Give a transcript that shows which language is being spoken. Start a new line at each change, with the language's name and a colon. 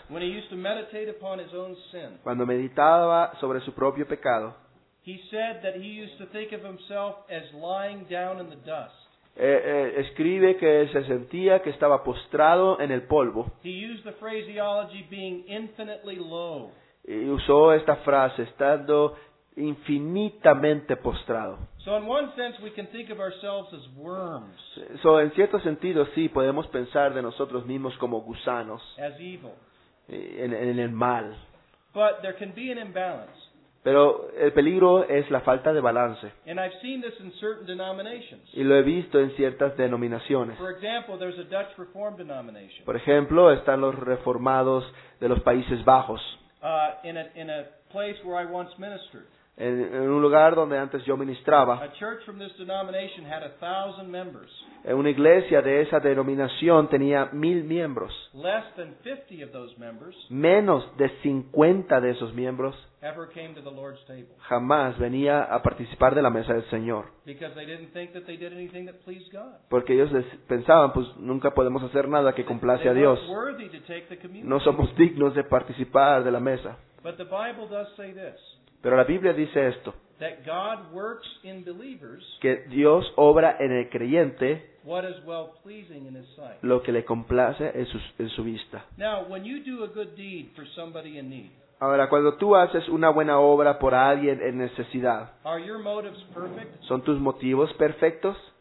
English: When he used to meditate upon his own sin.
Spanish: Cuando meditaba sobre su propio pecado.
English: He said that he used to think of himself as lying down in the dust.
Spanish: Escribe que se sentía que estaba postrado en el polvo.
English: He used the phraseology being infinitely low.
Spanish: Y usó esta frase, estando infinitamente postrado.
English: So in one sense we can think of ourselves as worms.
Spanish: So en cierto sentido sí, podemos pensar de nosotros mismos como gusanos.
English: As evil.
Spanish: En el mal.
English: But there can be an imbalance.
Spanish: Pero el peligro es la falta de balance.
English: And I've seen this in certain denominations.
Spanish: Y lo he visto en ciertas denominaciones.
English: For example, there's a Dutch Reformed denomination.
Spanish: Por ejemplo, están los reformados de los Países Bajos.
English: In a place where I once ministered.
Spanish: En un lugar donde antes yo ministraba.
English: A church from this denomination had 1,000 members.
Spanish: Una iglesia de esa denominación tenía 1,000 miembros.
English: Less than 50 of those members.
Spanish: Menos de 50 de esos miembros.
English: Ever came to the Lord's table.
Spanish: Jamás venía a participar de la mesa del Señor.
English: Because they didn't think that they did anything that pleased God.
Spanish: Porque ellos pensaban, pues nunca podemos hacer nada que complace a Dios.
English: They weren't worthy to take the communion.
Spanish: No somos dignos de participar de la mesa.
English: But the Bible does say this.
Spanish: Pero la Biblia dice esto.
English: That God works in believers.
Spanish: Que Dios obra en el creyente.
English: What is well pleasing in his sight.
Spanish: Lo que le complace en su vista.
English: Now, when you do a good deed for somebody in need.
Spanish: Ahora, cuando tú haces una buena obra por alguien en necesidad, ¿son tus motivos perfectos?